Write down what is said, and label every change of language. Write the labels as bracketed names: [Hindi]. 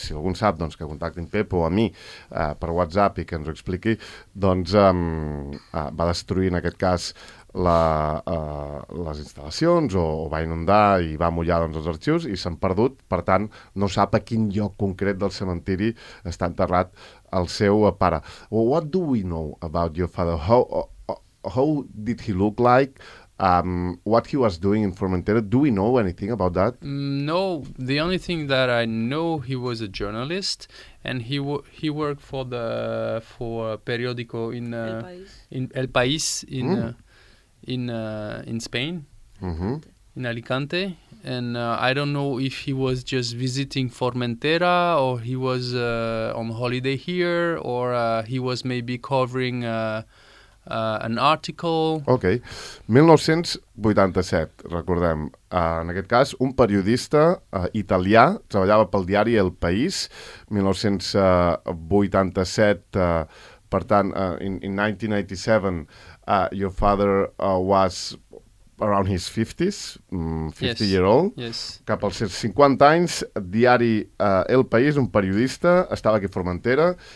[Catalan] Si algú en sap, doncs que contactin Pepo o a mi per WhatsApp i que ens ho expliqui. Doncs va destruir, en aquest cas, les instal·lacions o va inundar i va mullar doncs, els arxius i s'han perdut. Per tant, no sap a quin lloc concret del cementiri està enterrat el seu pare. [English] Well, what do we know about your father? How did he look like? What he was doing in Formentera? Do we know anything about that? No. The only thing that I know, he was a journalist, and he worked for a periódico in El País. In Spain, mm-hmm. in Alicante, and I don't know if he was just visiting Formentera or he was on holiday here or he was maybe covering an article. [Catalan] Okay, 1987, recordem. En aquest cas, un periodista italià treballava pel diari El País. 1987, per tant, [English] in 1997. Your father was around his 50s, 50-year-old. Yes. [Catalan] Cap als 50 anys, diari El País, un periodista, estava aquí a Formentera.